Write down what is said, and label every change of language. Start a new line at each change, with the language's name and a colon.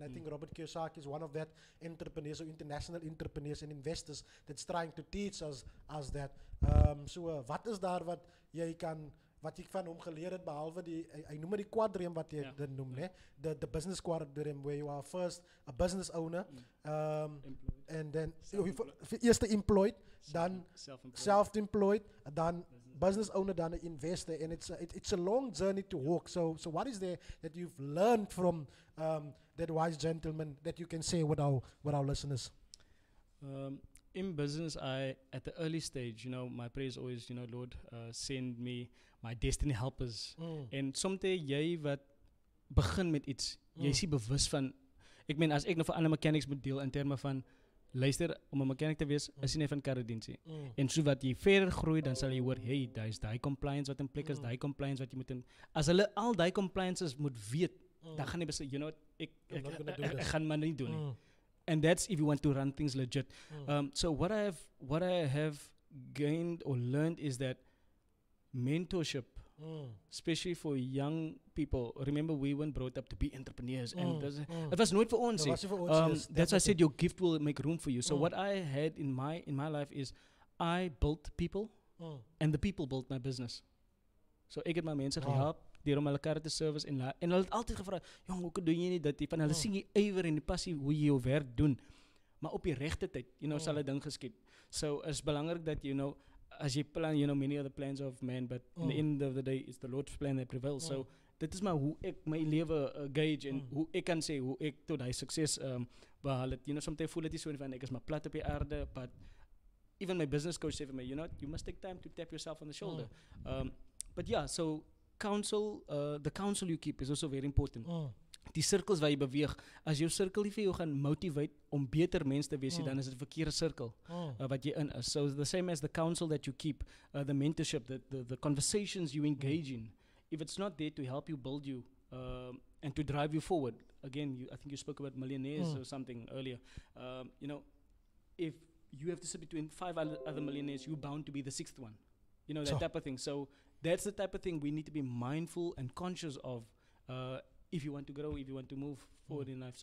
English: And I think Robert Kiyosaki is one of that entrepreneurs or international entrepreneurs and investors that's trying to teach us that.
Afrikaans: Wat is daar wat jy kan, wat ek van hom geleer het, behalwe die, hy noem die quadrium wat jy dit noem, ne?
English: The business quadrium, where you are first a business owner, and then
Afrikaans: eerste employed, dan self-employed, dan business owner, dan
English: an investor, and it's a long journey to walk. So what is there that you've learned from that wise gentleman that you can say with our listeners? In business, I at the early stage, you know, my prayer is always, you know, Lord, send me my destiny helpers.
Afrikaans: En somte jy wat begin met iets, jy is bewus van. Ek meen, as ek nou vir ander mechanics moet deel in terme van luister, om 'n mechanic te wees, is nie van karredientie. En so wat jy verder groei, dan sal jy hoor, hey, daar is die compliance wat in plek is, die compliance wat jy moet in. As hulle al die compliances moet weet, dan gaan jy besluit,
English: you know,
Afrikaans: ek gaan maar nie doen nie.
English: And that's if you want to run things legit. So what I have gained or learned is that mentorship, especially for young people. Remember, we weren't brought up to be entrepreneurs, and it was not for us. That's why I said your gift will make room for you. So what I had in my life is I built people, and the people built my business. So I get my mentor to help.
Afrikaans: Om hulle karre te service en hulle het altyd gevra, jong, hoe doen jy nie dit? Van hulle sien jy ywer en die passie hoe jy jou werk doen, maar op die regte tyd,
English: you know,
Afrikaans: sal 'n ding geskied. So is belangrik dat,
English: you know,
Afrikaans: as jy plan,
English: you know, many other plans of man, but in the end of the day, it's the Lord's plan that prevails.
Afrikaans: So dit is maar hoe ek my lewe gauge en hoe ek kan sê hoe ek tot hy sukses behaal het.
English: You know,
Afrikaans: soms voel dit so van ek is maar plat op die aarde,
English: but even my business coach
Afrikaans: sê vir my, you know,
English: you must take time to tap yourself on the shoulder. But yeah, so counsel, the counsel you keep is also very important.
Afrikaans: Die circles waar jy beweeg, as jou circle nie vir jou gaan motivate om beter mens te wees, dan is dit 'n verkeerde circle wat jy in is.
English: So the same as the counsel that you keep, the mentorship, the conversations you engage in, if it's not there to help you, build you, and to drive you forward, again, I think you spoke about millionaires or something earlier, you know, if you have to sit between five other millionaires, you're bound to be the sixth one, you know, that type of thing. So that's the type of thing we need to be mindful and conscious of if you want to grow, if you want to move forward in life.